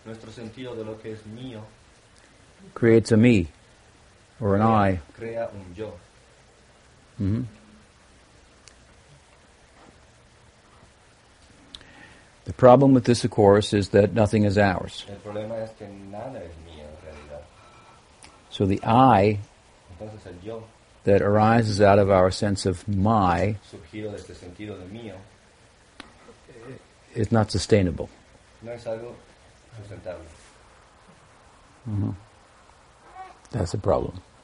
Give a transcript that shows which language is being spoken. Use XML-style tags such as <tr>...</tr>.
<es>nuestro sentido de lo que es mío</es> <en>creates a me. or an</en> <es>crea,</es> <en>I.</en> <es>Crea un yo. Mm-hmm.</es> <en>The problem with this, of course, is that nothing is ours.</en> <es>El problema es que nada es mío, en realidad.</es> <en>So the I,</en> <es>entonces el yo,</es> <en>that arises out of our sense of my,</en> <es>surgido de este sentido de mío,</es> <en>is not sustainable.</en> <es>No es algo sustentable.</es> <en>Mm-hmm. That's a problem.</en>